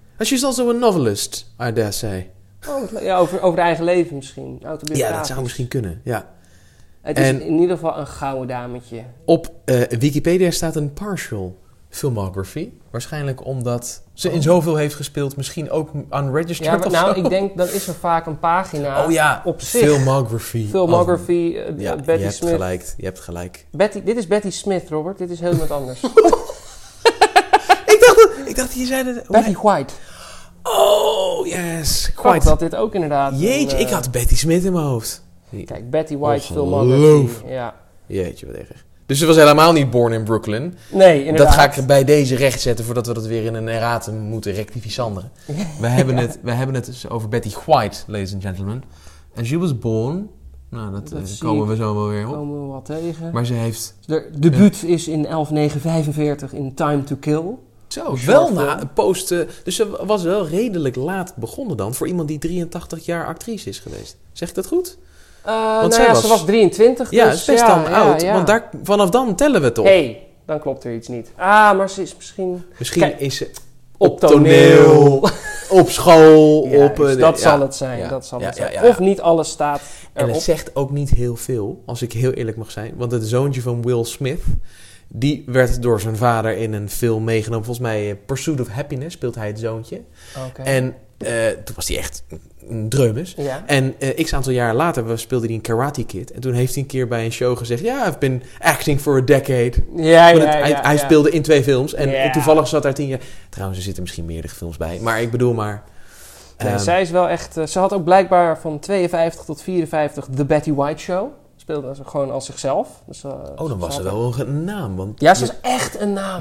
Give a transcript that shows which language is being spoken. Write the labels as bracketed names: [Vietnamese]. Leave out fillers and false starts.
[English] She's also a novelist, I dare say. [Dutch] Oh, ja, over haar eigen leven misschien. Ja, dat zou misschien kunnen, ja. Het en is in ieder geval een gouden dametje. Op Wikipedia staat een partial filmography. Waarschijnlijk omdat ze in zoveel heeft gespeeld. Misschien ook unregistered of zo. Nou, ik denk, dan is er vaak een pagina op zich. Filmography. Filmography, Betty Smith. Je hebt gelijk. Betty, dit is Betty Smith, Robert. Dit is heel wat anders. ik dacht, je zei dat. Betty White. [English] Oh, yes. Ik [Dutch] had dit ook inderdaad. Jeetje, ik had Betty Smith in mijn hoofd. Kijk, Betty White filmography. Ja. Jeetje, wat erg. Dus ze was helemaal niet [English] born in Brooklyn. [Dutch] Nee, inderdaad. Dat ga ik bij deze recht zetten voordat we dat weer in een erratum moeten rectificeren. We hebben het dus over Betty White, [English] ladies and gentlemen. And she was born. [Dutch] Nou, dat komen we zo wel weer op. Komen we wel tegen. Maar ze heeft. De debuut is in 11.945 in Time to Kill. Zo, wel na posten. Dus ze was wel redelijk laat begonnen dan voor iemand die 83 jaar actrice is geweest. Zeg ik dat goed? Want nou ja, ze was 23. Ja, dus, best dan oud. Ja. Want daar, vanaf dan tellen we toch. Hé, hey, dan klopt er iets niet. Ah, maar ze is misschien... Misschien is ze op toneel. Op school. Ja, op, dus dat zal het zijn. Ja. Dat zal het zijn. Of niet alles staat erop. En het zegt ook niet heel veel, als ik heel eerlijk mag zijn. Want het zoontje van Will Smith... Die werd door zijn vader in een film meegenomen. Volgens mij Pursuit of Happiness speelt hij het zoontje. Okay. En toen was hij echt een dreumes. Ja. En x-aantal jaren later speelde hij een Karate Kid. En toen heeft hij een keer bij een show gezegd... Ja, [English] I've been acting for a decade. [Dutch] Hij speelde in twee films. En toevallig zat daar 10 jaar... Trouwens, er zitten misschien meerdere films bij. Maar ik bedoel maar... zij is wel echt... Ze had ook blijkbaar van 52 tot 54 The Betty White Show... Speelde ze gewoon als zichzelf. Dus, dan was ze wel een naam. Want ja, ze is echt een naam.